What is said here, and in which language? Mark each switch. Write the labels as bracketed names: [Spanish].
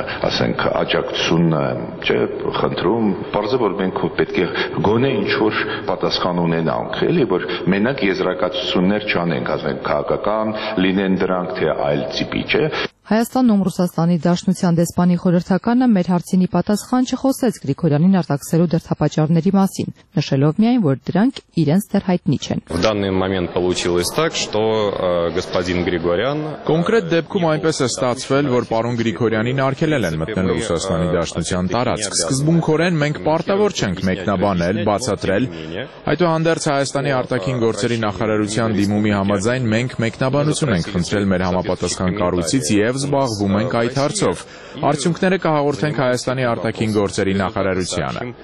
[Armenian] ասենք աջակցուն չէ խնդրում, պարզը, որ մենք պետք է գոնե ինչ-որ պատասխան ունենանք, էլի, որ մենակ եզրակացություններ չանենք, ասենք քաղաքական լինեն դրանք, թե այլ ծիպի, չէ։ Հայաստանում Ռուսաստանի Դաշնության դեսպանի խորհրդականը մեր հարցինի պատասխան չխոսեց Գրիգորյանին արտաքսելու դրդապատճառների մասին, նշելով միայն, որ դրանք իրենց դեռ հայտնի չեն։ [Russian] В данный момент получилось так, что господин Григорян [Armenian] Կոնկրետ դեպքում այնպես է ստացվել, որ պարոն Գրիգորյանին արգելել են մտնել Ռուսաստանի Դաշնության տարածք։ Սկզբունքորեն մենք պարտավոր չենք մեկնաբանել, բացատրել։ Այդուհանդերձ Հայաստանի արտաքին գործերի նախարարության դիմումի համաձայն մենք մեկնաբանություն ենք խնդրել մեր համապատասխան կառույցից և զբաղվում ենք այդ հարցով։ Արդյունքները կհաղորդենք Հայաստանի արտաքին գործերի նախարարությանը։